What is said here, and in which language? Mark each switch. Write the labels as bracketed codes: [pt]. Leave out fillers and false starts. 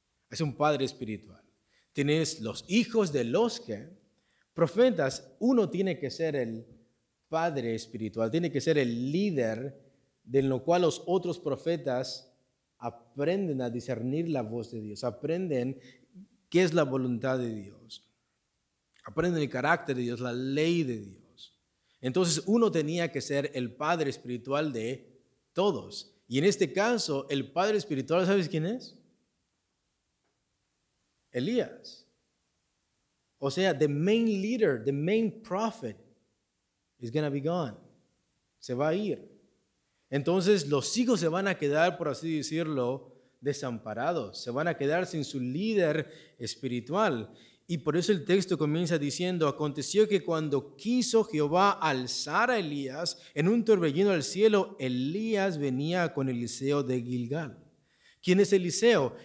[es] Es un padre espiritual. Tienes los hijos de los que profetas, uno tiene que ser el padre espiritual, tiene que ser el líder de lo cual los otros profetas aprenden a discernir la voz de Dios, aprenden qué es la voluntad de Dios, aprenden el carácter de Dios, la ley de Dios. Entonces uno tenía que ser el padre espiritual de todos. Y en este caso, el padre espiritual, ¿sabes quién es? Elías. O sea, [en] the main leader, the main prophet is going to be gone. [es] Se va a ir. Entonces, los hijos se van a quedar, por así decirlo, desamparados. Se van a quedar sin su líder espiritual. Y por eso el texto comienza diciendo, aconteció que cuando quiso Jehová alzar a Elías en un torbellino al cielo, Elías venía con Eliseo de Gilgal. ¿Quién es Eliseo?